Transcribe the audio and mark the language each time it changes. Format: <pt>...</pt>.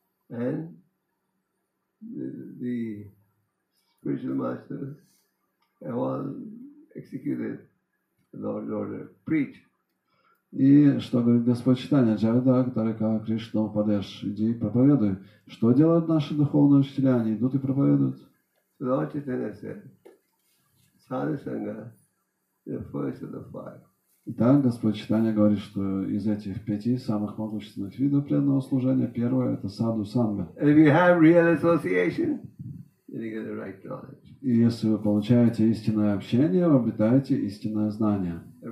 <en>And the spiritual masters have all executed the Lord's order. Preach.</en> <ru>И что говорит Господь Чайтанья? Джарада, Гатарика, Кришна, Упадеш. Иди и проповедуй. Что делают наши духовные учителя? Они идут и проповедуют.</ru> <en>Lord Chaitanya said, Sadhu Sangha, the first of the 5.</en> <ru>Да, Господь Читания говорит, что из этих пяти самых могущественных видов преданного служения первое — это саду санга. И если вы получаете истинное общение, вы обретаете истинное знание.</ru>